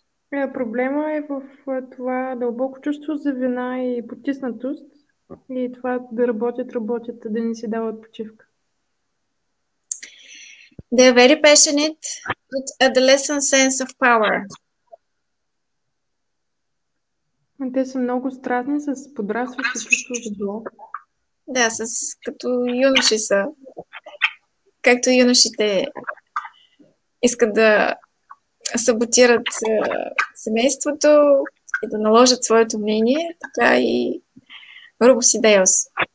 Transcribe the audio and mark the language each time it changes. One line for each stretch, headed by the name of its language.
Bulgarian: Проблема е в това дълбоко чувство за вина и потиснатост и това да работят, да не си дават почивка.
English: They are very passionate with adolescent sense of power.
Bulgarian: Те са много страстни с подрастващо чувство за зло. Да, с като юноши са. Както юношите искат да саботират семейството и да наложат своето мнение, така и Rubusideus.